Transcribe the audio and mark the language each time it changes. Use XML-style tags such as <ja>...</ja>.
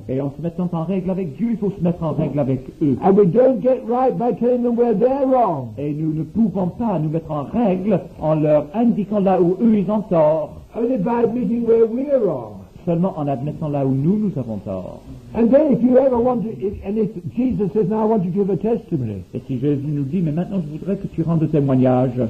<fr>Et en se mettant en règle avec Dieu, il faut se mettre en règle avec eux.</fr> <en>And we don't get right by telling them where they're wrong.</en> <fr>Et nous ne pouvons pas nous mettre en règle en leur indiquant là où eux ils ont tort.</fr> <en>Only by admitting where we're wrong.</en> <fr>Seulement en admettant là où nous, nous avons tort.</fr> <en>And then if you ever want to, if Jesus says, now I want you to give a testimony.</en> <fr>Et si Jésus nous dit, mais maintenant je voudrais que tu rendes témoignage.</fr>